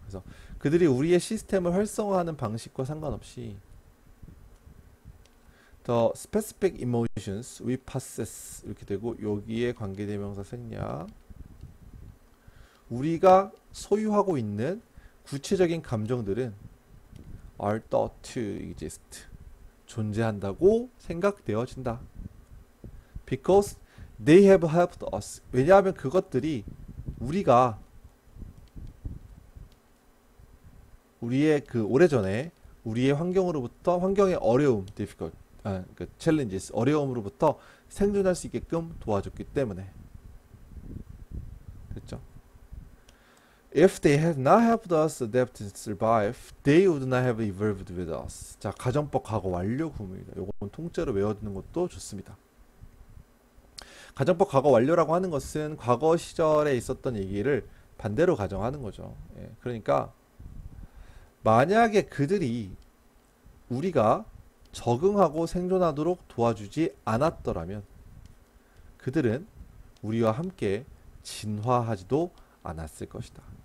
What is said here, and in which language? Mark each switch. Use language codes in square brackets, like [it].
[ko] 그래서 그들이 우리의 시스템을 활성화하는 방식과 상관없이 [en] the specific emotions we possess [ko] 이렇게 되고 여기에 관계대명사 생략 우리가 소유하고 있는 구체적인 감정들은 [en] are thought to exist [ko] 존재한다고 생각되어진다. [en] Because they have helped us. [ko] 왜냐하면 그것들이 우리가 우리의 그 오래전에 우리의 환경으로부터 환경의 어려움, difficult, 그 challenges, 어려움으로부터 생존할 수 있게끔 도와줬기 때문에 됐죠? [en] If they had not helped us adapt and survive, they would not have evolved with us. [ko] 자, 가정법 과거 완료 구문입니다. 요건 통째로 외워두는 것도 좋습니다. 가정법 과거 완료라고 하는 것은 과거 시절에 있었던 얘기를 반대로 가정하는 거죠. 예, 그러니까 만약에 그들이 우리가 적응하고 생존하도록 도와주지 않았더라면 그들은 우리와 함께 진화하지도 않았을 것이다.